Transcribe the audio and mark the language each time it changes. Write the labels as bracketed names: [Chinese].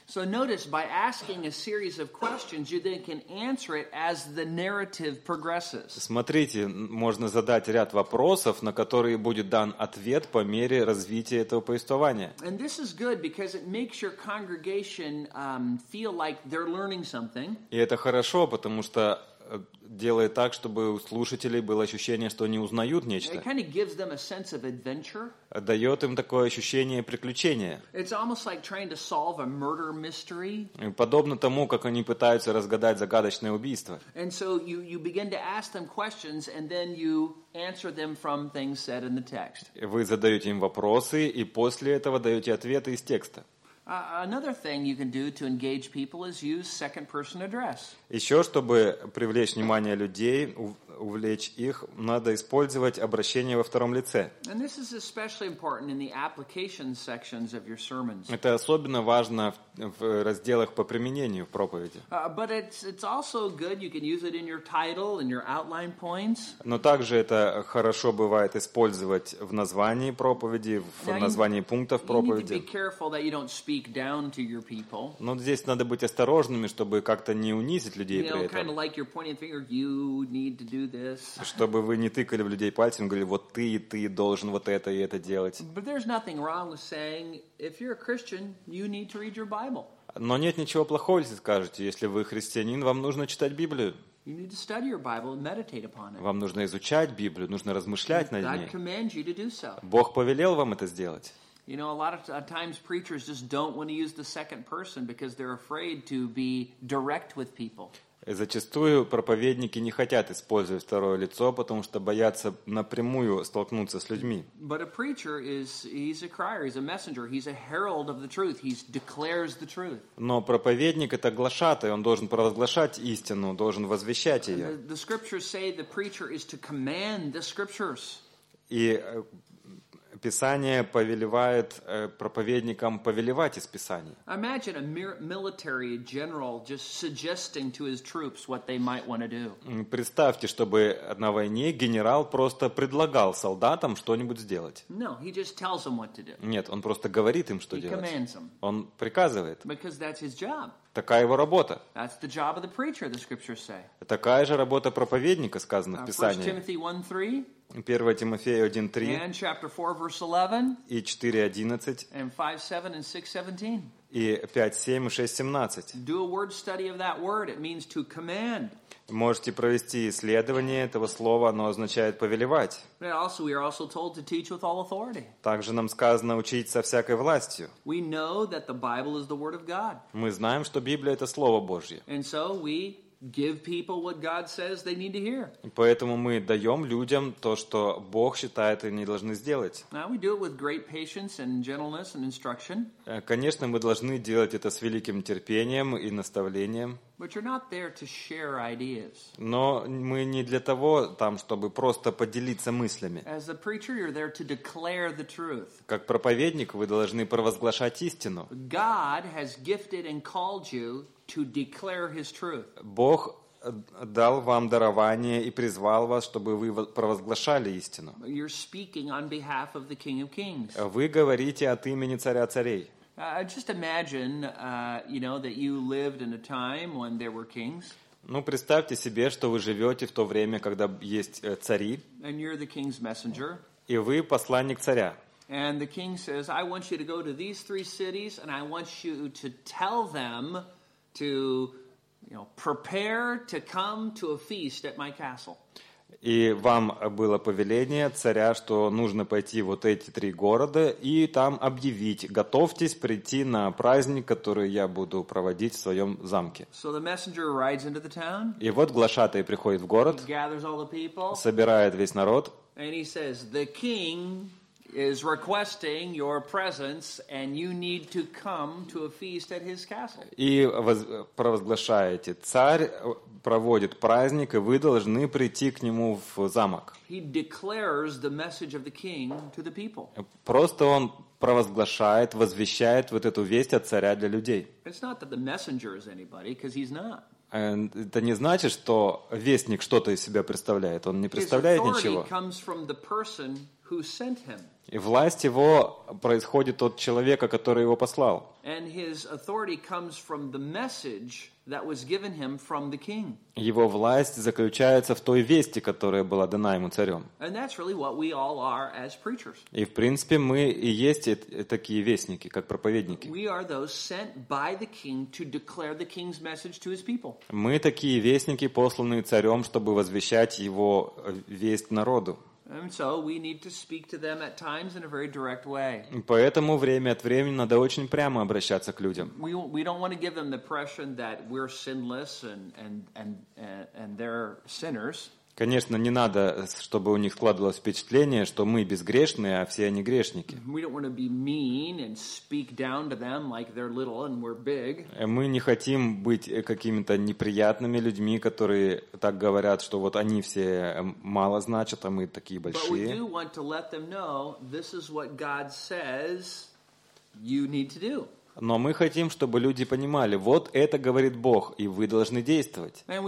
[English] So notice, by asking a series of questions, you then can answer it as the narrative progresses. [Russian] Смотрите, можно задать ряд вопросов, на которые будет дан ответ по мере развития этого повествования. [English] And this is good because it makes your congregation feel like they're learning something. [Russian] И это хорошо, потому что делает так, чтобы у слушателей было ощущение, что они узнают нечто. [English] It kind of gives them a sense of adventure. [Russian] Дает им такое ощущение приключения. [English] It's almost like trying to solve a murder mystery. [Russian] Подобно тому, как они пытаются разгадать загадочное убийство. [English] And so you begin to ask them questions, and then you answer them from things said in the text. [Russian] Вы задаете им вопросы, и после этого даете ответы из текста. [English] Another thing you can do to engage people is use second person address. [Russian] Еще, чтобы привлечь внимание людей, увлечь их, надо использовать обращение во втором лице. [English] And this is especially important in the application sections of your sermons. [Russian] Это особенно важно в разделах по применению проповеди. [English] But it's also good you can use it in your title and your outline points. [Russian] Но также это хорошо бывает использовать в названии проповеди, в названии пунктов проповеди. [English] You need to be careful that you don't speak down to your people. [Russian] Но здесь надо быть осторожными, чтобы как-то не унизить людей при этом. [English] You know, kind of like you're pointing the finger, you need to do this. [Russian] Чтобы вы не тыкали в людей пальцем, говорили, вот ты должен вот это и это делать. [English] But there's nothing wrong with saying, if you're a Christian, you need to read your Bible. [Russian] Но нет ничего плохого, если скажете, если вы христианин, вам нужно читать Библию. [English] You need to study your Bible and meditate upon it. [Russian] Вам нужно изучать Библию, нужно размышлять над ней. [English] God commands you to do so. [Russian] Бог повелел вам это сделать. [English] You know, a lot of times preachers just don't want to use the second person because they're afraid to be direct with people. [Russian] Зачастую проповедники не хотят использовать второе лицо, потому что боятся напрямую столкнуться с людьми. [English] But a preacher is, he's a crier, he's a messenger, he's a herald of the truth, he declares the truth. [Russian] Но проповедник — это глашатай, он должен провозглашать истину, должен возвещать ее. [English] The scriptures say the preacher is to command the scriptures. [Russian] И Писание повелевает проповедникам повелевать из Писания. [English] Imagine a military general just suggesting to his troops what they might want to do. [Russian] Представьте, чтобы на войне генерал просто предлагал солдатам что-нибудь сделать. [English] No, he just tells them what to do. [Russian] Нет, он просто говорит им, что [English] he [Russian] делать. [English] He commands them. [Russian] Он приказывает. [English] Because that's his job. [Russian] Такая его работа. [English] That's the job of the preacher, the scriptures say. [Russian] Такая же работа проповедника, сказано в Писании. [English] 1 Timothy 1:3. [Russian] 1 Тимофея 1:3 [English] and chapter 4, verse 11, [Russian] и 4:11 [English] and 5:7 and 6:17 [Russian] и 5:7 и 6:17. [English] Do a word study of that word. It means to command. [Russian] Можете провести исследование этого слова, оно означает повелевать. [English] Also, we are also told to teach with all authority. [Russian] Также нам сказано учить со всякой властью. [English] We know that the Bible is the word of God. [Russian] Мы знаем, что Библия — это слово Божье. [English] And so we give people what God says they need to hear. [Russian] Поэтому мы даем людям то, что Бог считает, они должны сделать. [English] Now we do it with great patience and gentleness and instruction. [Russian] Конечно, мы должны делать это с великим терпением и наставлением. [English] But you're not there to share ideas. [Russian] Но мы не для того там, чтобы просто поделиться мыслями. [English] As a preacher, you're there to declare the truth. [Russian] Как проповедник, вы должны провозглашать истину. [English] God has gifted and called you to declare His truth. [Russian] Бог дал вам дарование и призвал вас, чтобы вы провозглашали истину. [English] You're speaking on behalf of the King of Kings. [Russian] Вы говорите от имени Царя Царей. [English] Just imagine, you know, that you lived in a time when there were kings. [Russian] Ну, представьте себе, что вы живете в то время, когда есть цари. [English] And you're the king's messenger. [Russian] И вы посланник царя. [English] And the king says, I want you to go to these three cities, and I want you to tell them to, you know, prepare to come to a feast at my castle. [Russian] И вам было повеление царя, что нужно пойти вот эти три города и там объявить, готовьтесь прийти на праздник, который я буду проводить в своем замке. [English] So the messenger rides into the town, [Russian] и вот глашатай приходит в город, [English] gathers all the people, [Russian] собирает весь народ. [English] And he says, the king is requesting your presence, and you need to come to a feast at his castle. [Russian] И провозглашаете, царь проводит праздник, и вы должны прийти к нему в замок. [English] He declares the message of the king to the people. [Russian] Просто он провозглашает, возвещает вот эту весть от царя для людей. [English] It's not that the messenger is anybody, because he's not. [Russian] Это не значит, что вестник что-то из себя представляет. Он не представляет ничего. [English] His authority comes from the person who sent him. [Russian] И власть его происходит от человека, который его послал. [English] And his authority comes from the message that was given him from the king. [Russian] Его власть заключается в той вести, которая была дана ему царем. [English] And that's really what we all are as preachers. [Russian] И в принципе мы и есть такие вестники, как проповедники. [English] We are those sent by the king to declare the king's message to his people. [Russian] Мы такие вестники, посланные царем, чтобы возвещать его весть народу. [English] And so we need to speak to them at times in a very direct way. [Russian] Поэтому время от времени надо очень прямо обращаться к людям. [English] We don't want to give them the impression that we're sinless and they're sinners. [Russian] Конечно, не надо, чтобы у них складывалось впечатление, что мы безгрешные, а все они грешники. [English] We don't want to be mean and speak down to them like they're little and we're big. [Russian] Мы не хотим быть какими-то неприятными людьми, которые так говорят, что вот они все мало значат, а мы такие большие. [English] But we do want to let them know this is what God says you need to do. [Russian] Но мы хотим, чтобы люди понимали, вот это говорит Бог, и вы должны действовать.